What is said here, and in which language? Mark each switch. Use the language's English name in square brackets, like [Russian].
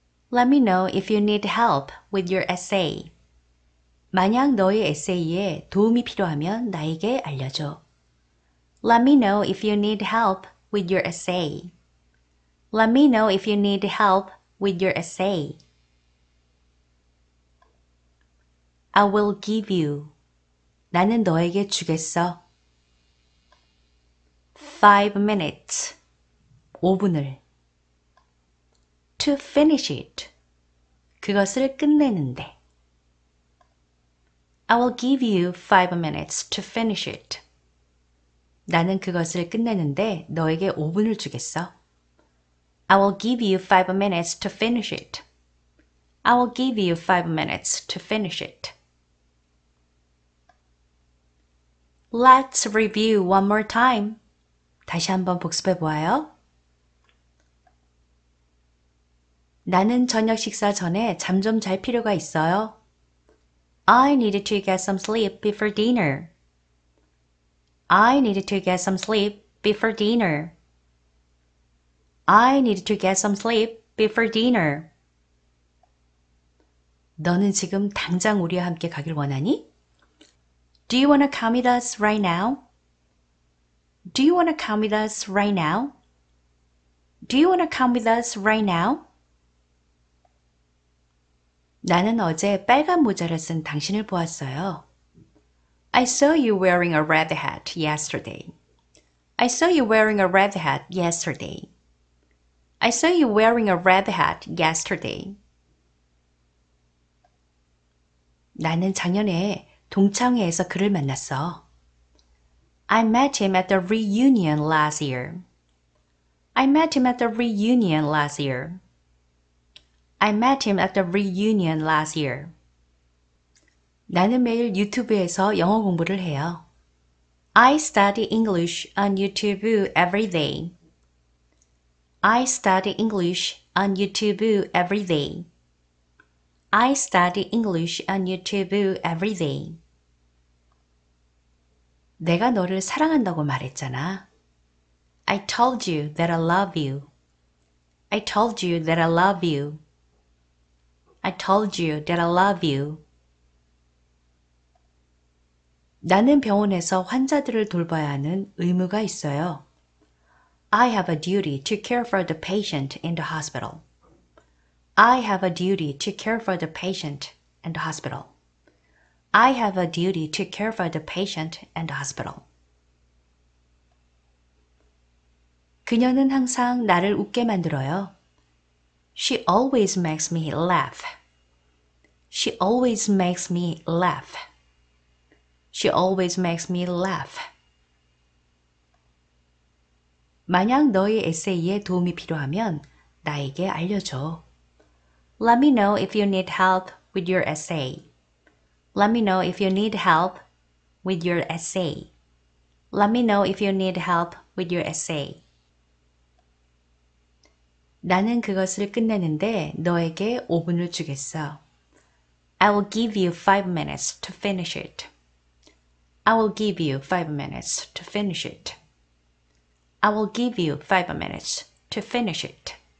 [English] Let me know if you need help with your essay. [Korean] 만약 너의 에세이에 도움이 필요하면 나에게 알려줘. [English] Let me know if you need help with your essay. Let me know if you need help with your essay. I will give you. [Korean] 나는 너에게 주겠어. [English] 5 minutes. [Korean] 5분을. [English] To finish it. [Korean] 그것을 끝내는데. [English] I will give you 5 minutes to finish it. [Korean] 나는 그것을 끝내는데 너에게 5분을 주겠어. [English] I will give you 5 minutes to finish it. I will give you 5 minutes to finish it. Let's review one more time. [Korean] 다시 한번 복습해 보아요. 나는 저녁 식사 전에 잠좀잘 필요가 있어요. [English] I needed to get some sleep before dinner. I needed to get some sleep before dinner. I needed to get some sleep before dinner. [Korean] 너는 지금 당장 우리와 함께 가길 원하니? [English] Do you want to come with us right now? Do you want to come with us right now? Do you want to come with us right now? [Korean] 나는 어제 빨간 모자를 쓴 당신을 보았어요. [English] I saw you wearing a red hat yesterday. I saw you wearing a red hat yesterday. I saw you wearing a red hat yesterday. [Korean] 나는 작년에 동창회에서 그를 만났어. [English] I met him at the reunion last year. I met him at the reunion last year. I met him at the reunion last year. [Korean] 나는 매일 유튜브에서 영어 공부를 해요. [English] I study English on YouTube every day. I study English on YouTube every day. I study English on YouTube every day. [Korean] 내가 너를 사랑한다고 말했잖아. [English] I told you that I love you. I told you that I love you. I told you that I love you. [Korean] 나는 병원에서 환자들을 돌봐야 하는 의무가 있어요. [English] I have a duty to care for the patient in the hospital. I have a duty to care for the patient in the hospital. I have a duty to care for the patient in the hospital. [Korean] 그녀는 항상 나를 웃게 만들어요. [English] She always makes me laugh. She always makes me laugh. She always makes me laugh. [Korean] 만약 너의 에세이에 도움이 필요하면 나에게 알려줘. [English] Let me know if you need help with your essay. Let me know if you need help with your essay. Let me know if you need help with your essay. [Korean] 나는 그것을 끝내는데 너에게 5분을 주겠어. [English] I will give you 5 minutes to finish it. I will give you 5 minutes to finish it. I will give you 5 minutes to finish it.